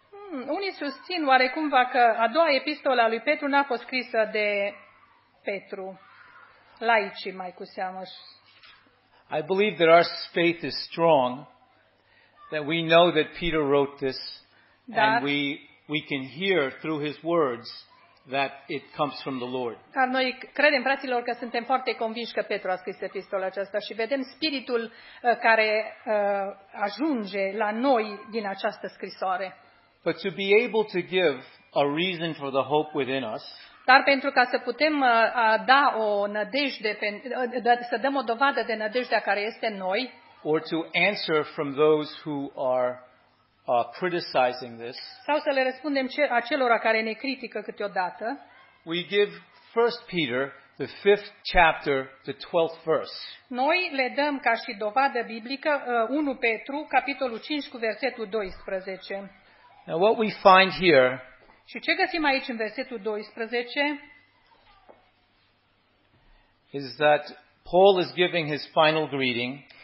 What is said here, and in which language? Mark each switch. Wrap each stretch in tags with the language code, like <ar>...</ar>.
<ro>Unii susțin oarecumva că a doua epistolă a lui Petru n-a fost scrisă de Petru. Laicii mai cu seamă.</ro> <en>I believe that our faith is strong, that we know that Peter wrote this,</en> <ro>dar,</ro> <en>and we can hear through his words that it comes from the Lord.</en> <ro>Dar noi credem, fraților, că suntem foarte convinși că Petru a scris epistola aceasta și vedem spiritul care ajunge la noi din această scrisoare.</ro> <en>But to be able to give a reason for the hope within us.</en> <ro>Dar pentru ca să putem da o nădejde, să dăm o dovadă de nădejdea care este în noi.</ro> <en>Or to answer from those who are criticizing this.</en> <ro>Sau să le răspundem acelora care ne critică câteodată.</ro> <en>We give 1 Peter the 5th chapter the 12th verse.</en> <ro>Noi le dăm ca și dovadă biblică 1 Petru capitolul 5 cu versetul 12.</ro> <en>Now what we find here.</en> <ro>Și ce găsim aici în versetul 12?</ro> <en>Is that Paul is giving his final greeting.</en>